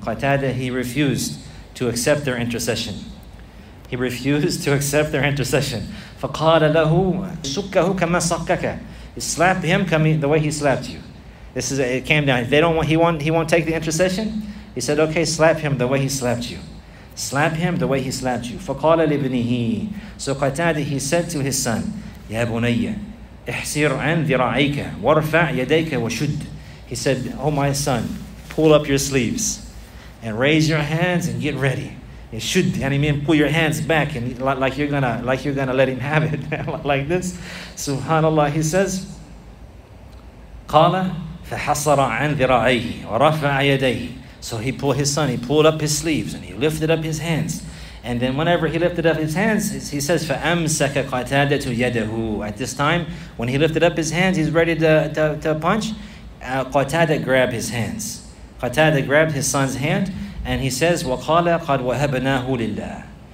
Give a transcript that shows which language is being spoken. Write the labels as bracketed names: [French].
[English] Qatada, he refused to accept their intercession. He refused to accept their intercession. [Arabic] فَقَالَ لَهُ سُكَّهُ كَمَا صَكَّكَ. [English] Slap him the way he slapped you. This is, it came down. They don't want, he won't take the intercession. He said, okay, slap him the way he slapped you. Slap him the way he slapped you. [Arabic] فَقَالَ لِبْنِهِ. [English] So Qatada, he said to his son, [Arabic] يَا بُنَيَّ احسر عن ذراعيك وارفع يديك وشد. [English] He said, oh my son, pull up your sleeves and raise your hands and get ready. It should, and I mean, pull your hands back and like you're gonna let him have it. Like this. [Arabic] Subhanallah, [English] he says, [Arabic] قال فحصر عن ذراعيه ورفع يديه. [English] So he pulled his son, he pulled up his sleeves and he lifted up his hands. And then whenever he lifted up his hands, he says, [Arabic] فَأَمْسَكَ قَتَادَةُ يَدَهُ. [English] At this time, when he lifted up his hands, he's ready to punch. Qatada grabbed his hands. Qatada grabbed his son's hand, and he says, [Arabic] وَقَالَ قَدْ وَهَبْنَاهُ لِلَّهِ.